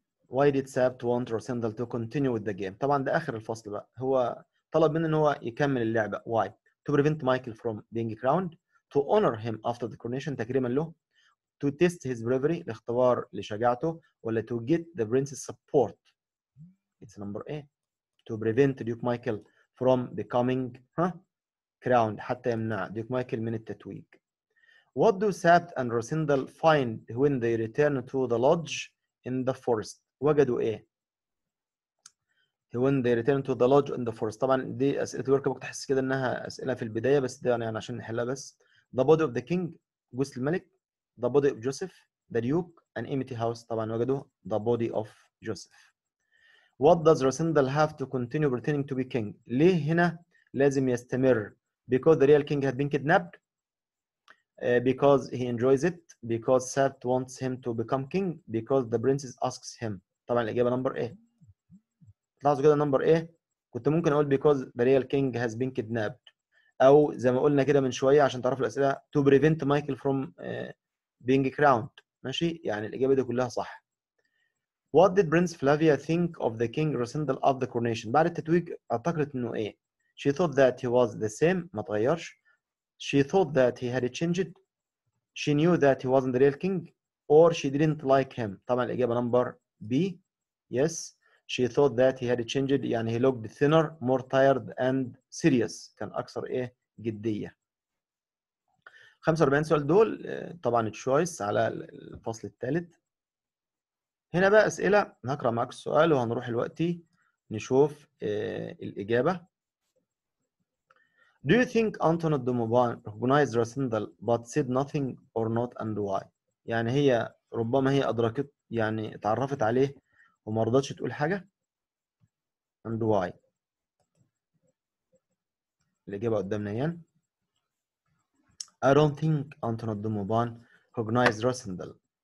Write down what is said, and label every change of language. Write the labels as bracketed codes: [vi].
[en] Why did Sapt want Rosendahl to continue with the game? [ar] طبعا ده آخر الفصل بقى. هو طلب منه ان هو يكمل اللعبة. [en] Why? To prevent Michael from being crowned. To honor him after the coronation. [ar] تكريما له. [en] To test his bravery. [ar] لاختبار لشجاعته. ولا [en] to get the prince's support. It's number A. To prevent Duke Michael from becoming crowned. [ar] حتى يمنع Duke Michael من التتويج. [en] What do Sapt and Rosendahl find when they return to the lodge in the forest? [ar] وجدوا ايه؟ [en] When they return to the lodge in the forest. [ar] طبعا دي اسئلة الورك بوك تحس كده انها اسئلة في البداية بس ده يعني عشان نحلها بس. [en] The body of the king, [ar] جثة الملك. [en] The body of Joseph, the duke, an empty house. [ar] طبعا وجدوا [en] the body of Joseph. What does Rosendahl have to continue pretending to be king? [ar] ليه هنا لازم يستمر؟ [en] Because the real king had been kidnapped. Because he enjoys it. Because Sapt wants him to become king. Because the princess asks him. [ar] طبعا الإجابة [en] number A. [ar] لاحظوا كده [en] number A. [ar] كنت ممكن أقول [en] because the real king has been kidnapped. [ar] أو زي ما قلنا كده من شوية عشان تعرف الأسئلة. [en] To prevent Michael from being crowned. [ar] ماشي؟ يعني الإجابة دي كلها صح. [en] What did Prince Flavia think of the king Rosendahl of the coronation? [ar] بعد التتويج أعتقدت أنه إيه. [en] She thought that he was the same. [ar] ما تغيرش. [en] She thought that he had changed. She knew that he wasn't the real king. Or she didn't like him. [ar] طبعا الإجابة [en] number B. Yes. she thought that he had changed, يعني he looked thinner, more tired and serious. [ar] كان أكثر إيه؟ جدية. 45 سؤال دول طبعا التشويس على الفصل الثالث. هنا بقى أسئلة، هقرأ معاك السؤال وهنروح الوقت نشوف الإجابة. [en] Do you think Anton de Mauban recognized Rassendal but said nothing or not and why؟ [ar] يعني هي ربما هي أدركت يعني اتعرفت عليه وما رضتش تقول حاجة؟ [en] And why؟ [ar] الإجابة قدامنا هي [en] I don't think Anton de Mauban recognized Rassendal.